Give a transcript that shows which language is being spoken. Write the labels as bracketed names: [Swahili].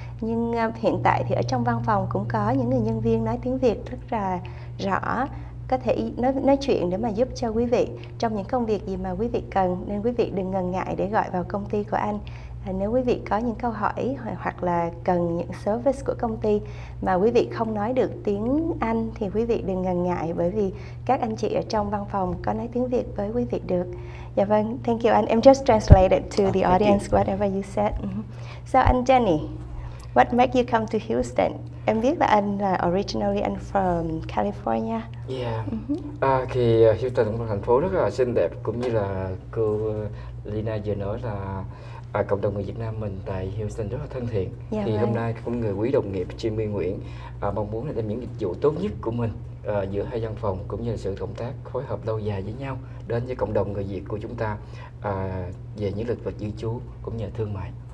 [Vietnamese] Nhưng hiện tại thì ở trong văn phòng cũng có những người nhân viên nói tiếng Việt rất là rõ, có thể nói chuyện để mà giúp cho quý vị trong những công việc gì mà quý vị cần. Nên quý vị đừng ngần ngại để gọi vào công ty của anh. Nếu quý vị có những câu hỏi hoặc là cần những service của công ty mà quý vị không nói được tiếng Anh thì quý vị đừng ngần ngại, bởi vì các anh chị ở trong văn phòng có nói tiếng Việt với quý vị được. Dạ vâng, [English] thank you [Vietnamese] anh. [English] Em just translated to the audience whatever you said. So anh Jenny, what make you come to Houston? [Vietnamese] Em biết là anh [English] originally [Vietnamese] anh [English] from [Vietnamese] California. [English] Yeah. [Vietnamese] Thì Houston cũng là thành phố rất là xinh đẹp, cũng như là cô Lena vừa nói là cộng đồng người Việt Nam mình tại Houston rất là thân thiện. [English] Yeah, [Vietnamese] thì [English] right. [Vietnamese] Hôm nay cũng người quý đồng nghiệp Jimmy Nguyễn mong muốn là đem những dịch vụ tốt nhất của mình giữa hai văn phòng cũng như là sự cộng tác phối hợp lâu dài với nhau đến với cộng đồng người Việt của chúng ta về những lĩnh vực di trú cũng như là thương mại.